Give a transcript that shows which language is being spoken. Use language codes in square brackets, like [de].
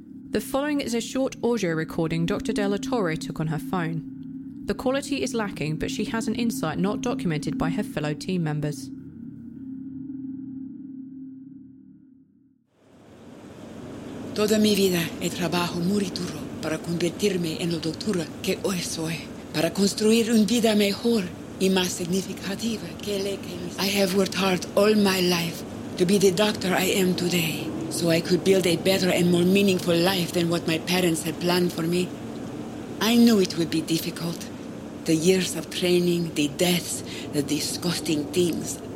[en] The following is a short audio recording Dr. Della Torre took on her phone. The quality is lacking, but she has an insight not documented by her fellow team members. [es] Toda mi vida he trabajado muy duro para convertirme en la doctora que hoy soy, para construir una vida mejor y más significativa que la que soy. [en] I have worked hard all my life to be the doctor I am today, so I could build a better and more meaningful life than what my parents had planned for me. I knew it would be difficult. The years of training, the deaths, the disgusting things.